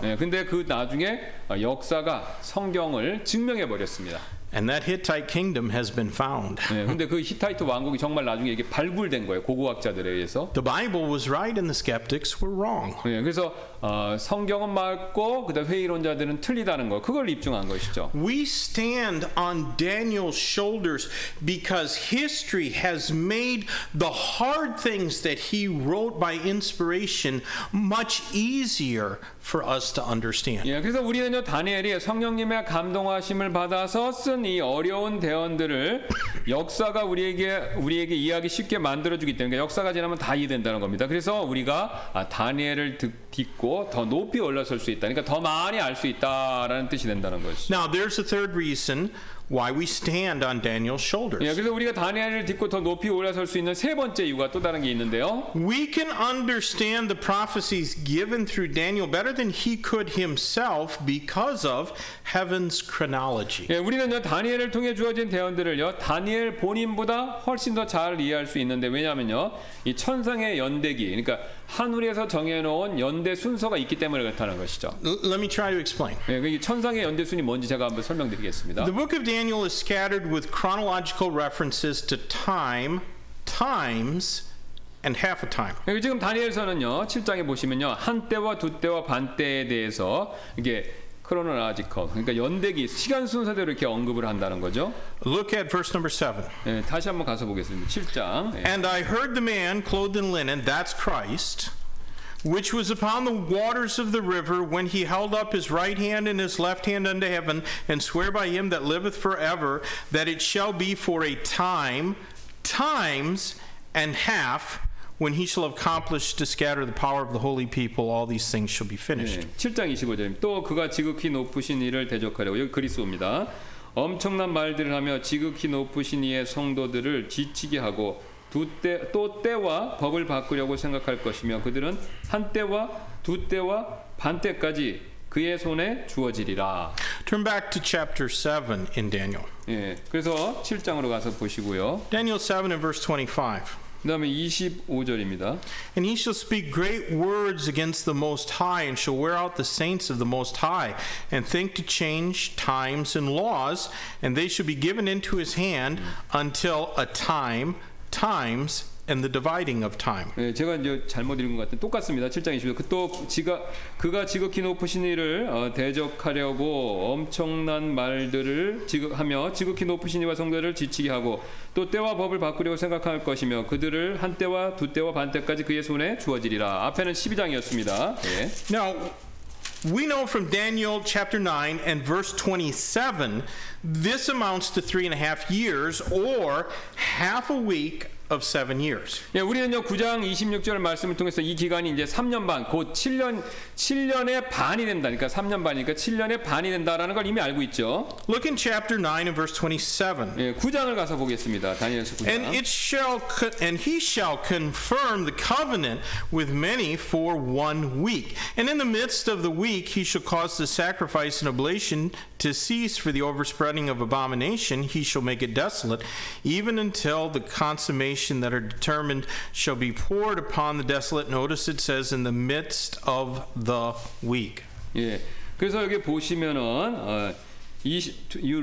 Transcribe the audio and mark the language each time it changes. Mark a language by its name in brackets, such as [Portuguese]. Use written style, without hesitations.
[Korean] 네, 근데 그 나중에 역사가 성경을 증명해 버렸습니다. [English] And that Hittite kingdom has been found. [Korean] 네, 근데 그 히타이트 왕국이 정말 나중에 이게 발굴된 거예요. 고고학자들에 의해서. [English] The Bible was right and the skeptics were wrong. [Korean] 네, 그래서 성경은 맞고 그다음 회의론자들은 틀리다는 거. 그걸 입증한 것이죠. [English] We stand on Daniel's shoulders because history has made the hard things that he wrote by inspiration much easier for us to understand. [Korean] 예, 그래서 우리는요 다니엘이 성령님의 감동하심을 받아서 쓴 이 어려운 대언들을 역사가 우리에게 이해하기 쉽게 만들어 주기 때문에 역사가 지나면 다 이해된다는 겁니다. 그래서 우리가 다니엘을 듣고 더 높이 올라설 수 있다. 그러니까 더 많이 알 수 있다라는 뜻이 된다는 것이. [English] Now there's a third reason why we stand on Daniel's shoulders. [Korean] 예, 그래서 우리가 다니엘을 듣고 더 높이 올라설 수 있는 세 번째 이유가 또 다른 게 있는데요. [English] We can understand the prophecies given through Daniel better than he could himself because of heaven's chronology. [Korean] 예, 우리는요 다니엘을 통해 주어진 대언들을요 다니엘 본인보다 훨씬 더 잘 이해할 수 있는데 왜냐하면요 이 천상의 연대기, 그러니까 하늘에서 정해놓은 연대 순서가 있기 때문에 그렇다는 것이죠. [English] Let me try to explain. [Korean] 예, 그 천상의 연대 순이 뭔지 제가 한번 설명드리겠습니다. [English] The book of Daniel is scattered with chronological references to time, times, and half a time. [Korean] 여기 지금 다니엘서는요, 7장에 보시면요, 한때와 두때와 반때에 대해서 이게 chronological, 그러니까 연대기, 시간 순서대로 이렇게 언급을 한다는 거죠. [English] Look at verse number 7. [Korean] 예, 다시 한번 가서 보겠습니다. 7장. 예. [English] And I heard the man clothed in linen, that's Christ, which was upon the waters of the river when he held up his right hand and his left hand unto heaven and swear by him that liveth forever that it shall be for a time, times, and half when he shall have accomplished to scatter the power of the holy people all these things shall be finished. [Korean] 네, 7장 25절입니다. 또 그가 지극히 높으신 이를 대적하려고 여기 그리스도입니다. 엄청난 말들을 하며 지극히 높으신 이의 성도들을 지치게 하고 또 때와 법을 바꾸려고 생각할 것이며 그들은 한 때와 두 때와 반 때까지 그의 손에 주어지리라. [English] Turn back to chapter 7 in Daniel. [Korean] 예, 그래서 7장으로 가서 보시고요. [English] Daniel 7 and verse 25. [Korean] 그다음에 25절입니다. [English] And he shall speak great words against the Most High, and shall wear out the saints of the Most High, and think to change times and laws, and they shall be given into his hand until a time, times, and the dividing of time. [Korean] 네, 제가 이제 잘못 읽은 것 같은데 똑같습니다. 7장 25절. 그가 지극히 높으신 이를 대적하려고 엄청난 말들을 하며 지극히 높으신 이와 성도를 지치게 하고 또 때와 법을 바꾸려고 생각할 것이며 그들을 한 때와 두 때와 반 때까지 그의 손에 주어지리라. 앞에는 12장이었습니다. 네. [English] Now we know from Daniel chapter 9 and verse 27 this amounts to 3.5 years or half a week of 7 years. [Korean] 예, 우리는요 9장 26절 말씀을 통해서 이 기간이 이제 3년 반, 곧 7년의 반이 된다. 그러니까 3년 반이니까 7년의 반이 된다라는 걸 이미 알고 있죠. [English] Look in chapter 9 and verse 27. [Korean] 예, 9장을 가서 보겠습니다. 다니엘서 9장. [English] And it shall and he shall confirm the covenant with many for 1 week. And in the midst of the week he shall cause the sacrifice and oblation to cease for the overspreading of abomination. He shall make it desolate even until the consummation that are determined shall be poured upon the desolate. Notice it says in the midst of the week. [Korean] 예, 그래서 여기 보시면은 27.